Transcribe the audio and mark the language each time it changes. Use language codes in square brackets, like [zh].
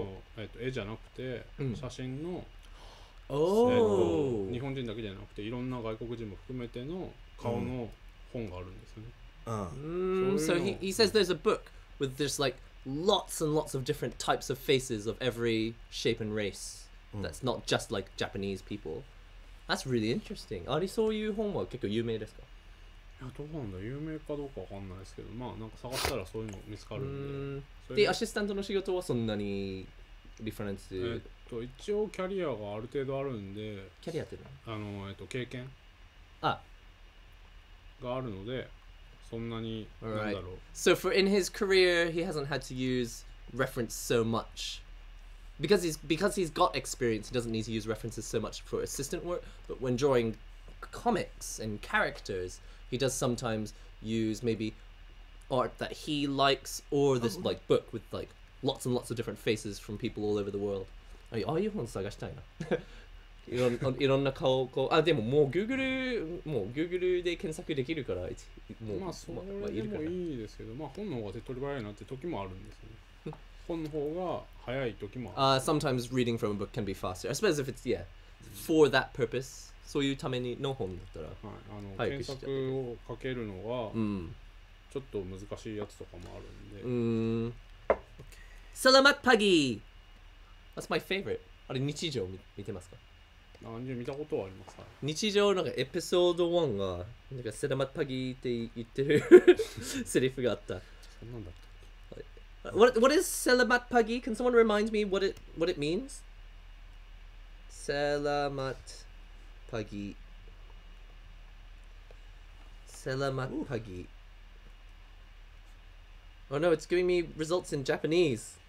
[ja] はい、絵じゃなくて写真の、うん、日本人だけじゃなくていろんな外国人も含めての顔の本があるんですね。 [en] So he says there's a book with just like lots and lots of different types of faces of every shape and race that's not just like Japanese peopleThat's really interesting. [ja] ありそういう本は結構有名ですか？いや、どうなんだ。有名かどうかわかんないですけど、まあ、なんか探したらそういうの見つかるんで。で、アシスタントの仕事はそんなにリファレンス？一応キャリアがある程度あるんで。キャリアってのは？経験？あ。があるので、そんなに、なんだろう。 [en] So for in his career, he hasn't had to use reference so much. Because he's got experience, he doesn't need to use references so much for assistant work. But when drawing comics and characters, he does sometimes use maybe art that he likes or this like book with like lots and lots of different faces from people all over the world. [ja] ああいう本探したいな。いろんな顔をこう、あ、でももう Google、もう Google で検索できるから、もう、まあ、それでもいいですけど、まあ、本の方が手取り早いなって時もあるんですよね。本の方が早い時もある。 [en] Sometimes reading from a book can be faster. I suppose if it's, yeah, for that purpose, [ja] そういうためにの本だったら、はい、あの検索をかけるのは、うん、ちょっと難しいやつとかもあるんで。 [en] うーん。 [ms] Selamat pagi! [en] That's my favorite. [ja] あれ、日常見てますか？見たことはあります、はい、日常なんかエピソード1がなんかセラマッパギーって言ってるセリフがあった。そんなんだった [en] what is セラマッパギー? Can someone remind me what it means? [ja] セラマッパギー。セラマッパギー。 [en] Oh no, it's giving me results in Japanese.